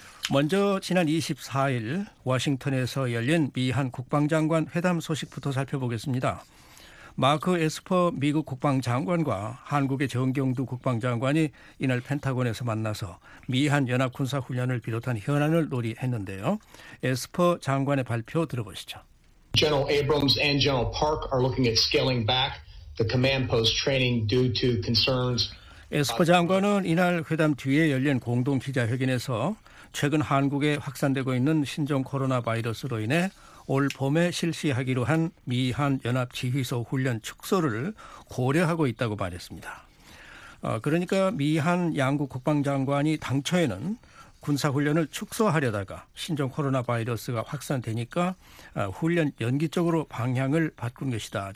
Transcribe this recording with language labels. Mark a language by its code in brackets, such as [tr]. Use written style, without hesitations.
[ko] 먼저 지난 24일 워싱턴에서 열린 미한 국방장관 회담 소식부터 살펴보겠습니다. 마크 에스퍼 미국 국방장관과 한국의 정경두 국방장관이 이날 펜타곤에서 만나서 미한 연합군사훈련을 비롯한 현안을 논의했는데요. 에스퍼 장관의 발표 들어보시죠. [en] General Abrams and General Park are looking at scaling back the command post training due to concerns. [ko] 에스퍼 장관은 이날 회담 뒤에 열린 공동 기자회견에서 최근 한국에 확산되고 있는 신종 코로나 바이러스로 인해 올 봄에 실시하기로 한 미한 연합 지휘소 훈련 축소를 고려하고 있다고 말했습니다. 그러니까 미한 양국 국방장관이 당초에는 군사 훈련을 축소하려다가 신종 코로나 바이러스가 확산되니까 훈련 연기 쪽으로 방향을 바꾼 것이다.